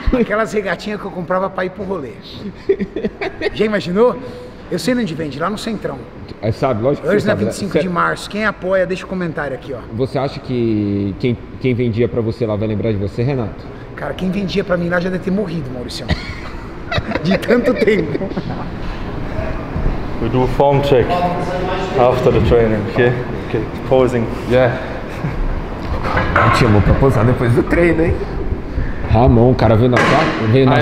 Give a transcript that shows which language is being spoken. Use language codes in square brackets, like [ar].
[pt] Aquelas regatinhas que eu comprava pra ir pro rolê. Já imaginou? Eu sei onde vende, lá no Centrão. É, sabe, lógico que URS na 25 sabe. De março. Quem apoia, deixa o um comentário aqui, ó. Você acha que quem vendia pra você lá vai lembrar de você, Renato? Cara, quem vendia pra mim lá já deve ter morrido, Maurício. De tanto tempo. [en] We do a form check after the training, okay? Okay, posing. Yeah. [pt] Eu te amo pra posar depois do treino, hein? Ramon, o cara veio na sua casa.